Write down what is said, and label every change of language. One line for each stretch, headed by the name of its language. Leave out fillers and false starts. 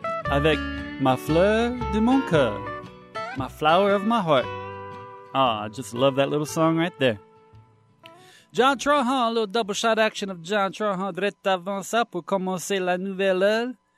French: Avec ma fleur de mon cœur,
English: my flower of my heart. Ah, I just love that little song right there. John Trahan, a little double shot action of John Trahan.
French: Drette avant ça pour commencer la nouvelle heure.